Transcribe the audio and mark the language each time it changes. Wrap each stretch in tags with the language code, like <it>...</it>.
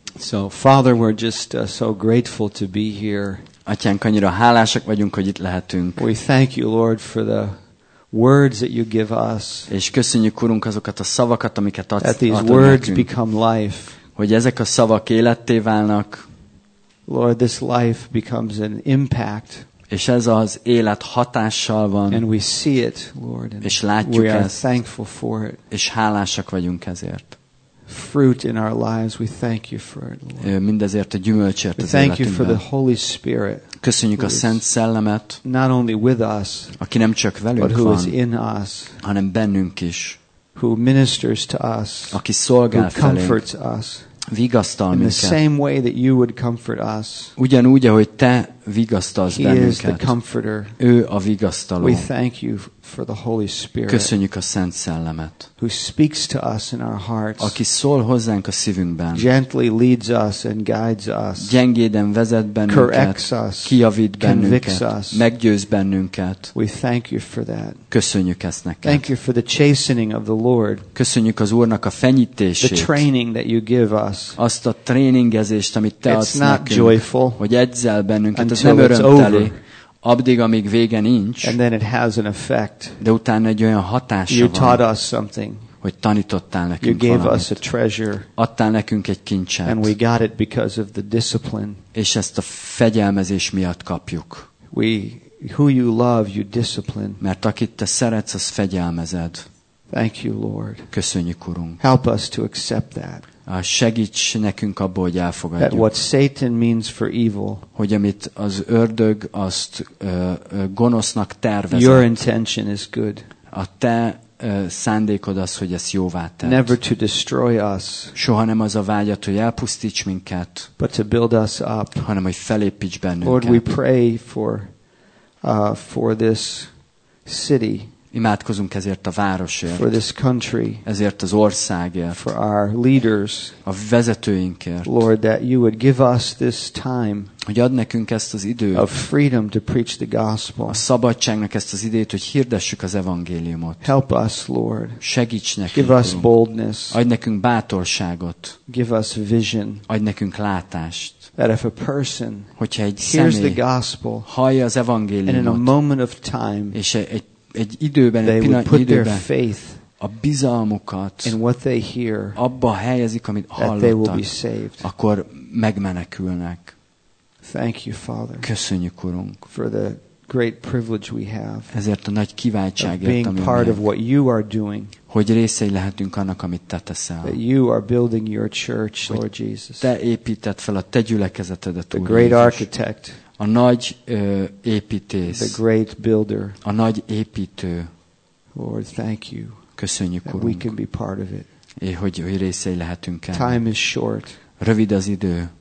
<en>So, Father, we're just so grateful to be here.</en> <hu>Atyánk, annyira hálásak vagyunk, hogy itt lehetünk.</hu> <en>We thank you, Lord, for the words that you give us.</en> <hu>És köszönjük, Urunk, azokat a szavakat, amiket adsz.</hu> <en>That these words become life.</en> <hu>Hogy ezek a szavak életté válnak.</hu> <en>Lord, this life becomes an impact.</en> <hu>És ez az élet hatással van.</hu> <en>And we see it, Lord, and</en> <hu>és látjuk</hu> <en>we are</en> <hu>ezt.</hu> <en>Thankful for it.</en> <hu>És hálásak vagyunk ezért.</hu> <en>Fruit in our lives, we thank you for it, Lord.</en> <hu>Mindezért a gyümölcsért</hu> <en>we</en> <hu>az életünkben.</hu> <en>Thank you for the Holy Spirit.</en> <hu>Köszönjük a Szent Szellemet.</hu> <en>Not only with us,</en> <hu>aki nem csak velünk</hu> <en>but who</en> <hu>van,</hu> <en>is in us,</en> <hu>hanem bennünk is.</hu> <en>Who ministers to us,</en> <hu>aki szolgál felénk,</hu> <en>who comforts us.</en> <hu>Vigasztal minket.</hu> <en>In the same way that you would comfort us.</en> <hu>Ugyanúgy, ahogy te vigasztalsz bennünket.</hu> <en>He is the comforter.</en> <hu>Ő a vigasztaló.</hu> <en>We thank you for the Holy Spirit.</en> <hu>Köszönjük a Szent Szellemet.</hu> <en>Who speaks to us in our hearts.</en> <hu>Aki szól hozzánk a szívünkben.</hu> <en>Gently leads us and guides us.</en> <hu>Gyengéden vezet bennünket.</hu> <en>Corrects us.</en> <hu>Kijavít bennünket.</hu> <en>Convicts us.</en> <hu>Meggyőz bennünket.</hu> <en>We thank you for that.</en> <hu>Köszönjük ezt neked.</hu> <en>Thank you for the chastening of the Lord.</en> <hu>Köszönjük az Úrnak a fenyítését.</hu> <en>The training that you give us.</en> <hu>Azt a tréningezést, amit te adsz nekünk.</hu> <en>It's not joyful.</en> <hu>Hogy edzel bennünket, ez nem örömteli. Addig, amíg vége nincs,</hu> <en>and then it has an effect.</en> <hu>De utána egy olyan hatása van.</hu> <en>You taught us something.</en> <hu>Hogy tanítottál nekünk</hu> <en>you gave</en> <hu>valamit.</hu> <en>Us a treasure.</en> <hu>Adtál nekünk egy kincset.</hu> <en>And we got it because of the discipline.</en> <hu>És ezt a fegyelmezés miatt kapjuk.</hu> <en>We, who you love, you discipline.</en> <hu>Mert akit te szeretsz, az fegyelmezed.</hu> <en>Thank you, Lord.</en> <hu>Köszönjük, Urunk.</hu> <en>Help us to accept that.</en> <hu>Segíts nekünk abból, hogy elfogadjuk.</hu> <en>That what Satan means for evil,</en> <hu>hogy amit az ördög azt gonosznak tervezett.</hu> <en>Your intention is good.</en> <hu>A te szándékod az, hogy ezt jóvá tedd.</hu> <en>Never to destroy us.</en> <hu>Soha nem az a vágyat, hogy elpusztíts minket.</hu> <en>But to build us up.</en> <hu>Hanem hogy felépíts bennünket.</hu> <en>Lord, we pray for this city.</en> <hu>Imádkozunk ezért a városért,</hu> <en>for this country,</en> <hu>ezért az országért,</hu> <en>for our leaders,</en> <hu>a vezetőinkért,</hu> <en>Lord, that you would give us this time,</en> <hu>hogy add nekünk ezt az időt,</hu> <en>of freedom to preach the gospel,</en> <hu>a szabadságnak ezt az időt, hogy hirdessük az evangéliumot.</hu> <en>Help us, Lord,</en> <hu>segíts nekünk,</hu> <en>give us boldness,</en> <hu>adj nekünk bátorságot,</hu> <en>give us vision,</en> <hu>adj nekünk látást.</hu> <en>That if a person</en> <hu>hogyha egy személy</hu> <en>hears the gospel,</en> <hu>hallja az evangéliumot,</hu> <en>and in a moment of time,</en> <hu>és egy időben,</hu> <en>they</en> <hu>egy</hu> <en>would put</en> <hu>időben,</hu> <en>their faith</en> <hu>a bizalmukat</hu> <en>in what they hear,</en> <hu>abba helyezik, amit</hu> <en>that</en> <hu>hallottak,</hu> <en>they will be saved.</en> <hu>Akkor megmenekülnek.</hu> <en>Thank you, Father,</en> <hu>köszönjük, Urunk,</hu> <en>for the great privilege we have,</en> <hu>ezért a nagy kiváltságért,</hu> <en>being</en> <hu>ami</hu> <en>part of what you are doing,</en> <hu>hogy részei lehetünk annak, amit te teszel.</hu> <en>That you are building your church, Lord Jesus.</en> <hu>Te építed fel a te gyülekezetedet,</hu> <en>the great architect,</en> <hu>a nagy építész,</hu> <en>the great builder,</en> <hu>a nagy építő.</hu> <en>Lord, thank you.</en> <hu>Köszönjük,</hu> <en>that</en> <hu>Urunk,</hu> <en>we can be part of it.</en> <hu>Hogy részei lehetünk ennek.</hu> <en>Time is short.</en> <hu>Rövid az idő.</hu>